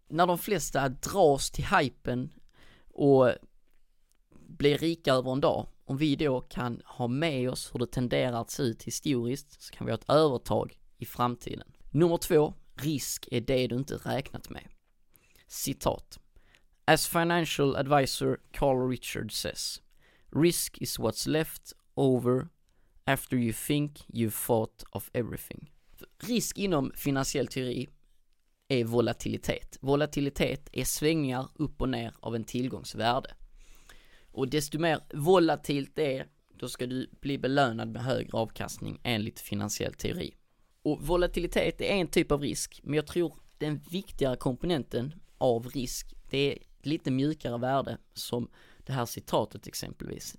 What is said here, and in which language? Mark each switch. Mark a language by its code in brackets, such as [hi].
[sv] När de flesta dras till hypen och blir rika över en dag, om vi då kan ha med oss hur det tenderar att se ut historiskt, så kan vi ha ett övertag i framtiden. Nummer 2. Risk är det du inte räknat med. Citat. [en] "As financial advisor Carl Richard says, risk is what's left over after you think you've thought of everything." [sv] Risk inom finansiell teori är volatilitet. Volatilitet är svängningar upp och ner av en tillgångsvärde. Och desto mer volatilt det är, då ska du bli belönad med högre avkastning enligt finansiell teori. Och volatilitet är en typ av risk, men jag tror den viktigare komponenten av risk, det är lite mjukare värde, som det här citatet exempelvis.